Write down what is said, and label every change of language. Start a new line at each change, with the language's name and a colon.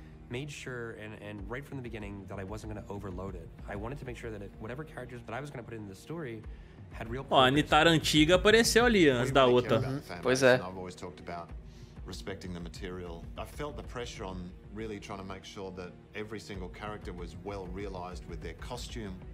English: Made sure and right from the beginning that I wasn't going to overload it. I wanted to make sure that whatever characters that I was going to put in the story had real
Portuguese: progress. Ó, a Nitara antiga apareceu ali antes da outra. Pois é.
English: I've always talked about respecting the material. I felt the pressure on really trying to make sure that every single character was well realized with their costume.